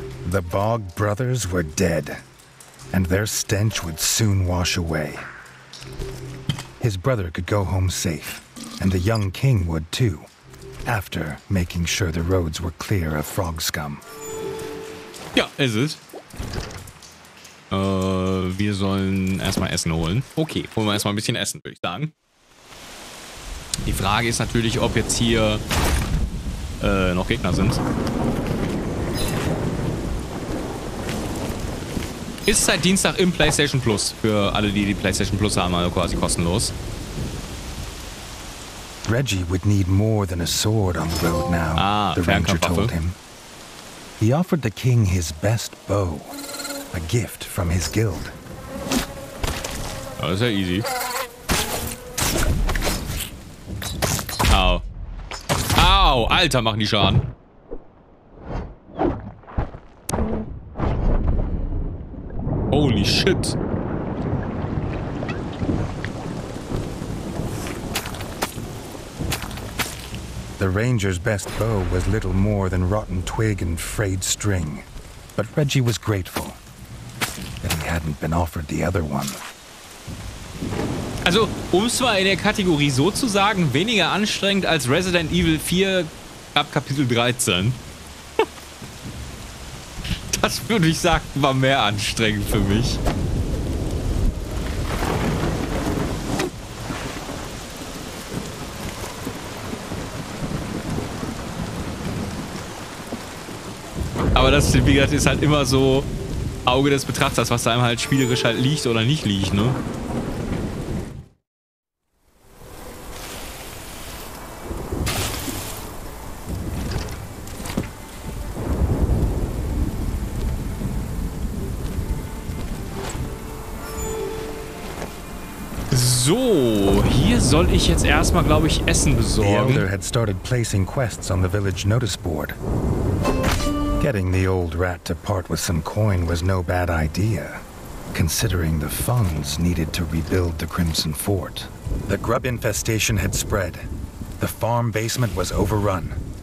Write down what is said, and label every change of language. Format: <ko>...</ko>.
<en>The Bog Brothers were dead, and their stench would soon wash away. His brother could go home safe, and the young king would too, after making sure the roads were clear of frog scum.</en> <de>Ja, ist es. Wir sollen erstmal Essen holen. Okay, holen wir erstmal ein bisschen Essen, würde ich sagen. Die Frage ist natürlich, ob jetzt hier noch Gegner sind. Ist seit Dienstag im PlayStation Plus. Für alle, die die PlayStation Plus haben, also quasi kostenlos.</de> <en>Reggie would need more than a sword on the road now, the ranger told him. He offered the king his best bow, a gift from his guild. Oh, that's easy. Au.</en> <de>Au, Alter, machen die Schaden.</de> <en>Holy shit. The ranger's best bow was little more than rotten twig and frayed string. But Reggie was grateful that he hadn't been offered the other one.</en> <de>Also, um es mal in der Kategorie so zu sagen, weniger anstrengend als Resident Evil 4 ab Kapitel 13. Das würde ich sagen, war mehr anstrengend für mich. Aber das, wie gesagt, ist halt immer so Auge des Betrachters, was da einem halt spielerisch halt liegt oder nicht liegt, ne? So, hier soll ich jetzt erstmal, glaube ich, Essen besorgen.</de> <en>The elder had started placing quests on the village notice board. Getting the old rat to part with some coin was no bad idea, considering the funds needed to rebuild the Crimson Fort. The grub infestation had spread. The farm basement was overrun.</en>